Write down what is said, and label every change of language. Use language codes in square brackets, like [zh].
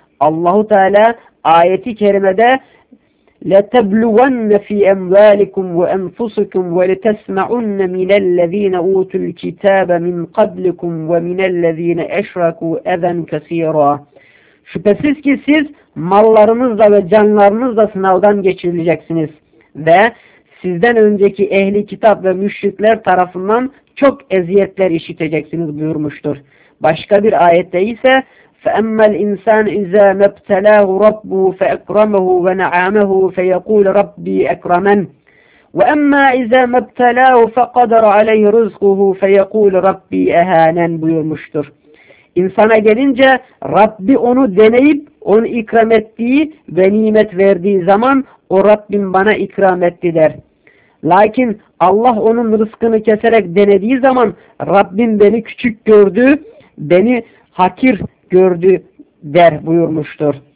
[tr] Allah-u Teala ayeti kerimede [ar] لَتَبْلُوَنَّ فِي أَمْوَالِكُمْ وَأَنْفُسِكُمْ وَلِتَسْمَعُنَّ مِنَ الَّذ۪ينَ اُوتُوا الْكِتَابَ مِنْ قَبْلِكُمْ وَمِنَ الَّذ۪ينَ اَشْرَكُوا اَذًا كَس۪يرًا [tr] Şüphesiz ki siz mallarınızla ve canlarınızla sınavdan geçirileceksiniz ve sizden önceki ehli kitap ve müşrikler tarafından çok eziyetler işiteceksiniz buyurmuştur. Başka bir ayette ise [ar] فَاَمَّا الْاِنْسَانِ اِذَا مَبْتَلَاهُ رَبُّهُ فَاَكْرَمَهُ وَنَعَامَهُ فَيَقُولَ رَبِّي اَكْرَمَنْ وَاَمَّا اِذَا مَبْتَلَاهُ فَقَدَرَ عَلَيْهِ رِزْقُهُ فَيَقُولَ رَبِّي اَهَانَنْ [tr] buyurmuştur. İnsana gelince Rabbi onu deneyip onu ikram ettiği ve nimet verdiği zaman o Rabbim bana ikram etti der. Lakin Allah onun rızkını keserek denediği zaman Rabbim beni küçük gördü, beni hakir gördü der buyurmuştur.